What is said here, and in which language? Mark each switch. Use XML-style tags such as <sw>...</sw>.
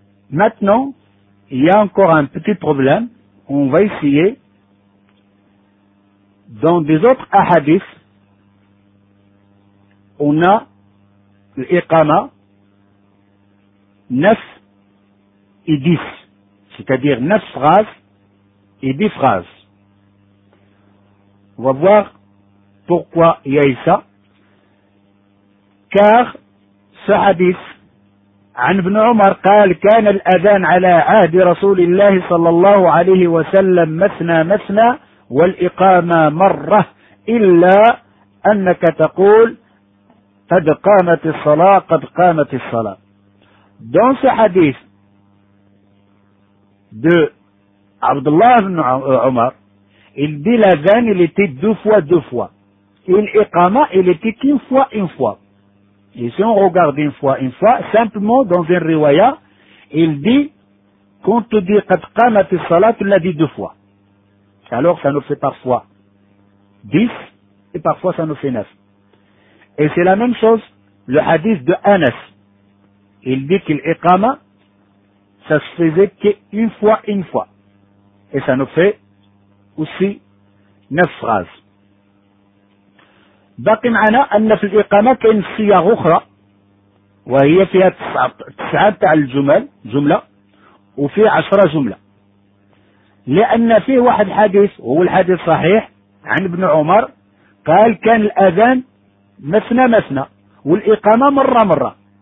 <fr>Maintenant, il y a encore un petit problème. On va essayer, dans des autres ahadiths, on a l'iqama 9 et 10, c'est-à-dire 9 phrases et 10 phrases. On va voir pourquoi il y a ça. Car ce hadith,</fr> <ar>عن ابن عمر قال كان الأذان على عهد رسول الله صلى الله عليه وسلم مثنى مثنى والإقامة مرة إلا أنك تقول قد قامت الصلاة قد قامت الصلاة.</ar> <fr>Dans ce hadith de Abdullah ibn Omar, il dit l'Adhan il était deux fois. Et l'Iqama il était une fois. Et si on regarde une fois, simplement dans un riwaya, il dit, quand tu dis qad qamat as-salat, tu l'as dit deux fois. Alors ça nous fait parfois 10, et parfois ça nous fait 9. Et c'est la même chose, le hadith de Anas. Il dit que l'iqama, ça se faisait qu'une fois. Et ça nous fait aussi 9 phrases.</fr> <ar>باقي معنا أن في الإقامة كان صيغ أخرى وهي فيها 9 تاع الجمل جملة وفي 10 جملة لأن فيه واحد حديث وهو الحديث صحيح عن ابن عمر قال كان الأذان مثنى والإقامة مرة</ar>